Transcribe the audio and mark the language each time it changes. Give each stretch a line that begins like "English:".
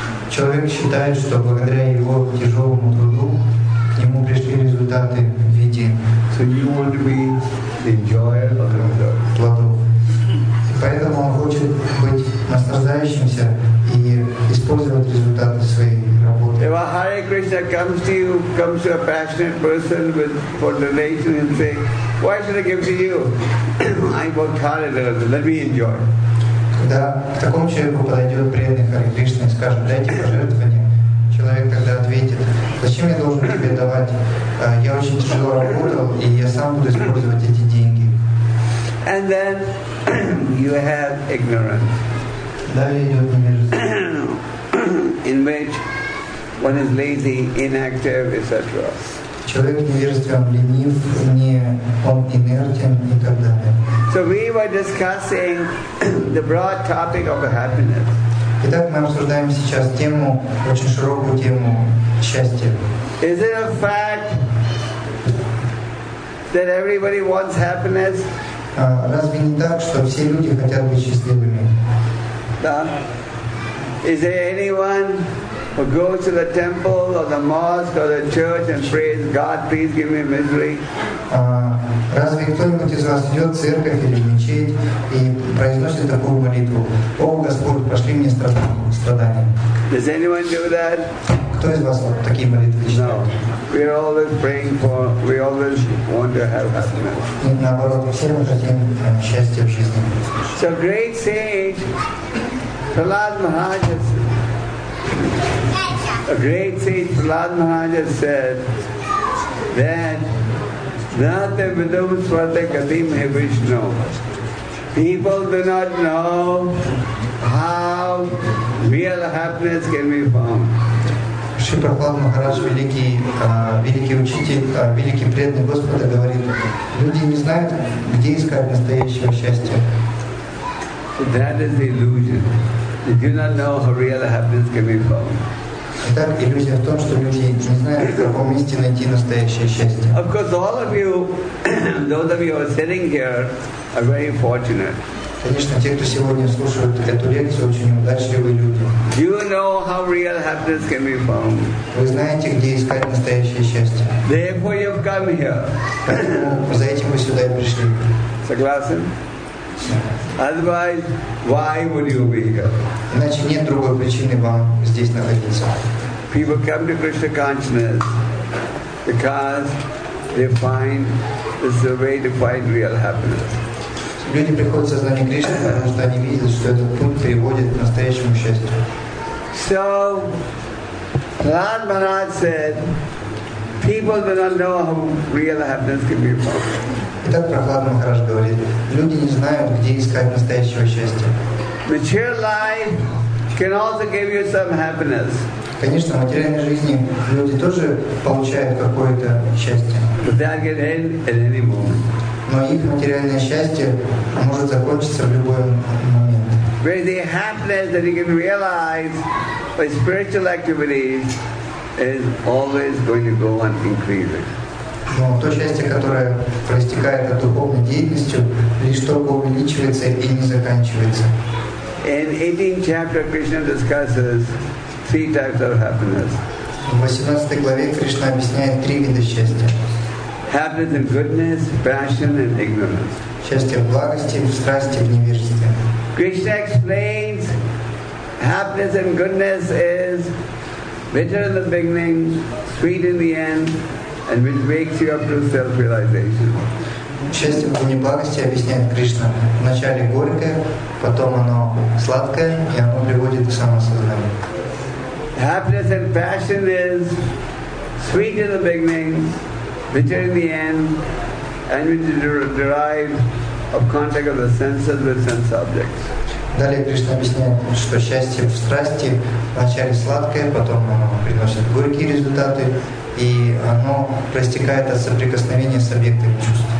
Russian: Человек считает, что благодаря его тяжелому труду к нему пришли результаты в виде.
English: So you want to be the enjoyer of the results.
Russian: Плодов. И поэтому он хочет быть наслаждающимся и использовать результаты своей.
English: If a Hare Krishna comes to a passionate person for donation and say, why should I give to you? I worked hard at it, let me enjoy.
Russian: тогда к такому человеку подойдет преданный Харе Кришна и скажет, дайте пожертвование. Человек тогда ответит, зачем я должен тебе давать? Я очень тяжело работал, и я сам буду использовать эти деньги.
English: And then you have ignorance.
Russian: Далее идет невежество.
English: In which one is lazy, inactive, etc.
Russian: Человек невежествен, ленив, не он инертен и так далее.
English: So we were discussing the broad topic of happiness.
Russian: Итак, мы обсуждаем сейчас тему, очень широкую тему счастья.
English: Is it a fact that everybody wants happiness?
Russian: Разве не так, что все люди хотят быть счастливыми? Да.
English: Is there anyone who goes to the temple or the mosque or the church and prays, God, please give me misery?
Russian: Разве кто-нибудь из вас идет в церковь или в мечеть и произносит такую молитву? О, Господь, пошли мне страдания.
English: Does anyone do that?
Russian: Кто из вас вот такие молитвы читает?
English: No. We are always praying for, we always want to have happiness.
Russian: Наоборот, все мы хотим счастья в жизни.
English: So great sage, Prahlad Maharaj, a great sage Prahlad Maharaj said that
Sanskrit: Nathe Vidum Swate Kadim He Vishnu.
English: People do not know how real happiness can be found.
Russian: Шри Прахлад Махарадж, великий учитель, великий преданный Господа, говорит, люди не знают, где искать настоящего счастья.
English: That is the illusion. They do not know how real happiness can be found.
Russian: Итак, иллюзия в том, что люди не знают, в каком месте найти настоящее счастье.
English: Of course, all of you, those of you who are sitting here, are very fortunate.
Russian: Конечно, те, кто сегодня слушают эту лекцию, очень удачливые люди.
English: You know how real happiness can be found.
Russian: Вы знаете, где искать настоящее счастье.
English: Therefore, you've come here.
Russian: Поэтому за этим вы сюда и пришли. Согласен?
English: Otherwise, why would you be here?
Russian: Иначе нет другой причины вам здесь находиться.
English: People come to Krishna consciousness because they find this is a way to find real happiness.
Russian: Люди приходят в сознание Кришны, потому что они видят, что этот путь приводит к настоящему счастью.
English: So, Prahlad Maharaj said, people do not know how real happiness can be found.
Russian: Итак, Прохлад Махарадж говорит, люди не знают, где искать настоящего счастья.
English: Material life can also give you some happiness.
Russian: Конечно, в материальной жизни люди тоже получают какое-то счастье.
English: But that can end at any moment.
Russian: Но их материальное счастье может закончиться в любой момент.
English: Where the happiness that you can realize by spiritual activities is always going to go on increasing.
Russian: Но то счастье, которое проистекает от духовной деятельности, лишь только увеличивается и не заканчивается.
English: In 18th chapter, Krishna discusses three types of happiness.
Russian: В 18 главе Кришна объясняет три вида счастья.
English: Happiness in goodness, passion and ignorance.
Russian: Счастье в благости, в страсти, в невежестве.
English: Krishna explains happiness and goodness is bitter in the beginning, sweet in the end, and which wakes you up to self-realization.
Russian: Счастье в неблагости объясняет Кришна. Вначале горькое, потом оно сладкое, и оно приводит к самосознанию.
English: Happiness and passion is sweet in the beginning, bitter in the end, and which is derived of contact of the senses with sense objects.
Russian: Далее Кришна объясняет, что счастье в страсти вначале сладкое, потом оно приносит горькие результаты, и оно проистекает от соприкосновения с объектами чувств.